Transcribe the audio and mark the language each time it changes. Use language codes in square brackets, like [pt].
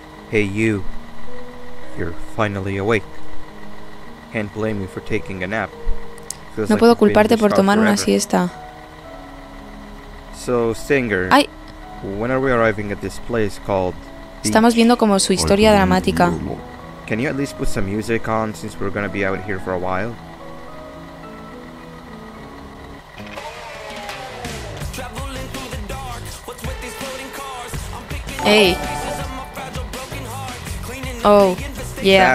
[en] Hey you, you're finally awake. Can't blame you for taking a nap. [es] No puedo culparte por tomar una siesta. [en] So Singer, ay. When are we arriving at this place called? [es] Estamos viendo como su historia dramática. [en] Can you at least put some music on since we're gonna be out here for a while? Hey. Oh, yeah.